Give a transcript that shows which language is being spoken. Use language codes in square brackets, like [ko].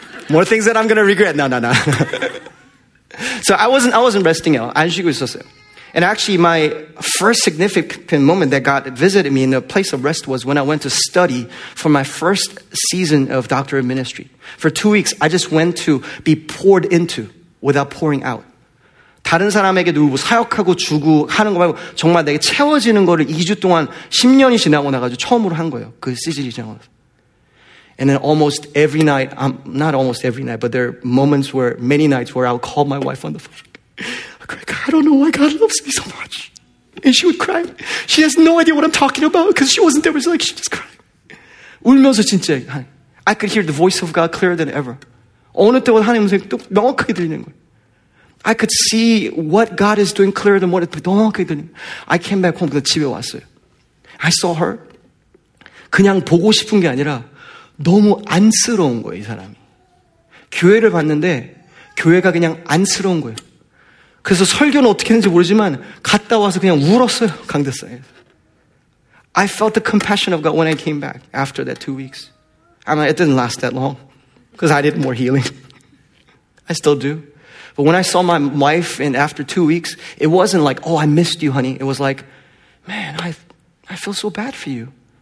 [en] More things that I'm going to regret. No. So I wasn't resting out. [ko] 안 쉬고 있었어요. [en] And actually, my first significant moment that God visited me in a place of rest was when I went to study for my first season of doctorate ministry. For 2 weeks, I just went to be poured into without pouring out. [ko] 다른 사람에게 누구 사역하고 주고 하는 거 말고 정말 내게 채워지는 거를 2주 동안 10년이 지나고 나가지고 처음으로 한 거예요. 그 시즌이 지나고. [en] And then almost every night, not almost every night, but there are moments where, many nights where I would call my wife on the phone. I don't know why God loves me so much. And she would cry. She has no idea what I'm talking about because she wasn't there. She just cried. [ko] 울면서 진짜. [en] I could hear the voice of God clearer than ever. [ko] 어느 때보다 하나님 음성이 또 명확하게 들리는 거예요. [en] I could see what God is doing clearer than what it is. I came back home, [ko] 집에 왔어요. [en] I saw her. [ko] 그냥 보고 싶은 게 아니라 너무 안쓰러운 거예요, 이 사람이. 교회를 봤는데 교회가 그냥 안쓰러운 거예요. 그래서 설교는 어떻게 했는지 모르지만 갔다 와서 그냥 울었어요, 강대상에서. [en] I felt the compassion of God when I came back after that 2 weeks. I mean, it didn't last that long because I did more healing. I still do. But when I saw my wife and after 2 weeks, it wasn't like, oh, I missed you, honey. It was like, man, I feel so bad for you.